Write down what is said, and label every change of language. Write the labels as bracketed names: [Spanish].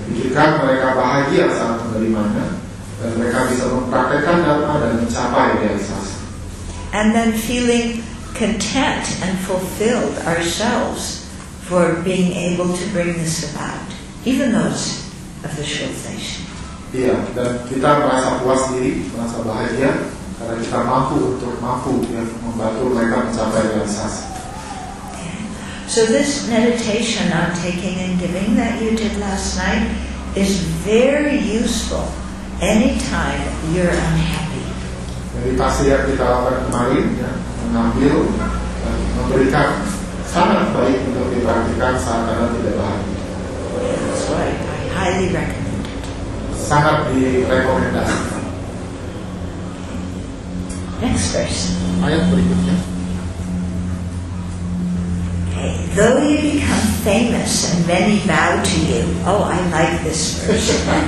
[Indonesian] Pikirkan mereka bahagia saat menerimanya, dan mereka bisa mempraktekkan Dharma dan mencapai realisasi. [English] And then feeling content and fulfilled ourselves for being able to bring this about, even though it's a visualization. [Indonesian] Iya, dan kita merasa puas diri, merasa bahagia, karena kita mampu untuk membantu mereka mencapai realisasi. [English] So this meditation on taking and giving that you did last night is very useful anytime you're unhappy. [Indonesian] Meditasi yang kita lakukan kemarin, ya, mengambil dan memberikan sangat baik untuk dipraktikkan saat kita tidak bahagia. [English] That's right. I highly recommend it. [Indonesian] Sangat direkomendasi. [English] Next verse. [Indonesian] Ayat berikutnya. [English] Okay, though you become become famous and many bow to you. Oh, I like this version.